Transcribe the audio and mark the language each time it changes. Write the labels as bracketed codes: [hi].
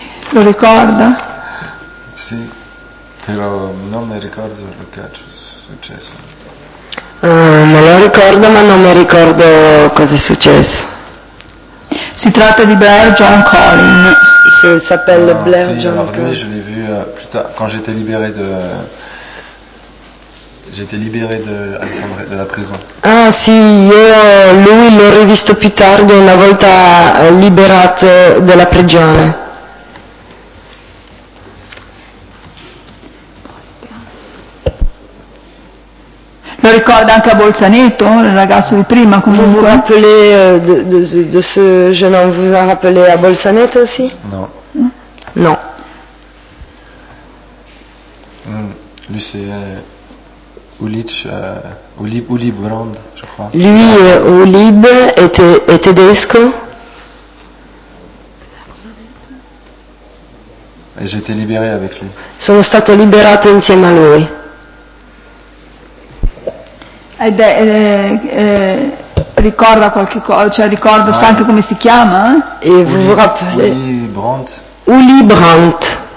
[it] Lo ricorda? Sì, però non mi ricordo quello che è successo. Me lo ricordo, ma non mi ricordo cosa è successo. Si tratta di Blair John Collin. [fr] Si s'appelle Blair John Collin. Sì, je l'ai vu plus tard, quand j'étais libéré de... J'étais libéré de Alexandre de la prison. [it] Ah sì, io lui l'ho rivisto più tardi, una volta liberato dalla prigione. Lo ricorda anche a Bolzaneto, il ragazzo di prima, comunque. [fr] Vous vous rappelez de ce jeune homme, vous vous rappelez a Bolzaneto aussi? No. No. Lui c'est Ulich, Uli Brand, je crois. [it] Lui, Ulib, è tedesco. [fr] Et j'étais libéré avec lui. [it] Sono stato liberato insieme a lui. Ed è, ricorda qualche cosa, cioè ricorda, sa anche come si chiama? [fr] E vous vous rappelez? Uli Brandt. Uli Brandt.